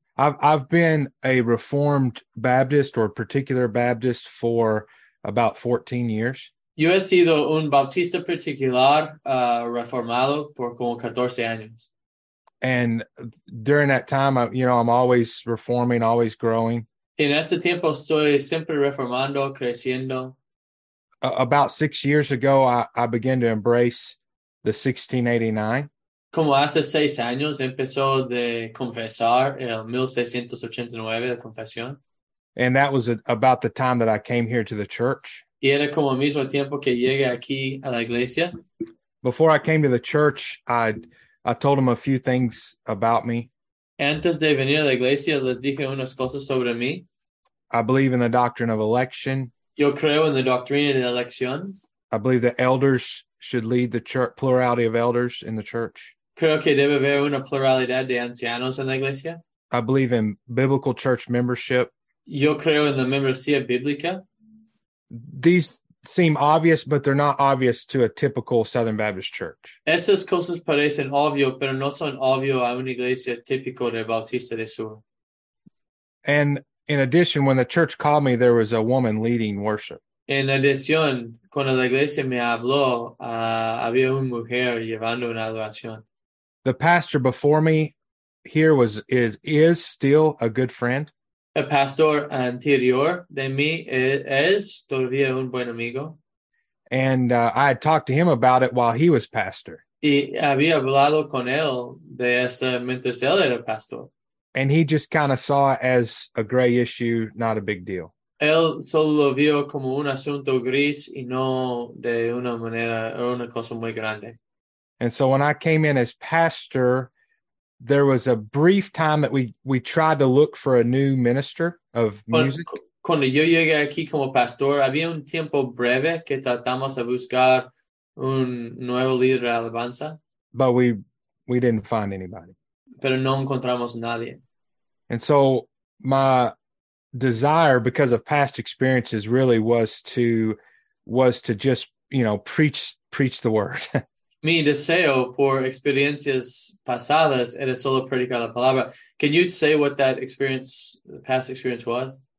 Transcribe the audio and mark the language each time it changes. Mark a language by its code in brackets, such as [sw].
[en] I've been a Reformed Baptist or particular Baptist for about 14 years. [es] Yo he sido un Bautista particular, reformado por como 14 años. [en] And during that time, I'm always reforming, always growing. [es] En este tiempo estoy siempre reformando, creciendo. [en] About 6 years ago, I began to embrace the 1689. [es] Como hace 6 años empezó de confesar el 1689, la confesión. [en] And that was about the time that I came here to the church. [es] Y era como al mismo tiempo que llegué aquí a la iglesia. [en] Before I came to the church, I told them a few things about me. [es] Antes de venir a la iglesia, les dije unas cosas sobre mí. [en] I believe in the doctrine of election. [es] Yo creo en la doctrina de la elección. [en] I believe that elders should lead the church, plurality of elders in the church. [es] Creo que debe haber una pluralidad de ancianos en la iglesia. [en] I believe in biblical church membership. [es] Yo creo en la membresía bíblica. [en] These seem obvious, but they're not obvious to a typical Southern Baptist church. [es] Esas cosas parecen obvio, pero no son obvio a una iglesia típica de Bautista del Sur. [en] And in addition, when the church called me, there was a woman leading worship. [es] En adición, cuando la iglesia me habló, había una mujer llevando una adoración. [en] The pastor before me here is still a good friend. [es] El pastor anterior de mí es todavía un buen amigo. [en] And I had talked to him about it while he was pastor. [es] Y había hablado con él de esta mientras él era pastor. [en] And he just kind of saw it as a gray issue, not a big deal. [es] Él solo lo vio como un asunto gris y no de una manera, era una cosa muy grande. [en] And so when I came in as pastor, there was a brief time that we tried to look for a new minister of [es] Cuando [en] music. [es] yo llegué aquí como pastor, había un tiempo breve que tratamos de buscar un nuevo líder de alabanza, [en] But we didn't find anybody. [es] pero no encontramos nadie. [en] And so desire because of past experiences really was to just, you know, preach the word. [es] Mi deseo por experiencias pasadas era solo predicar la palabra. [en] Can you say what that experience, the past experience was?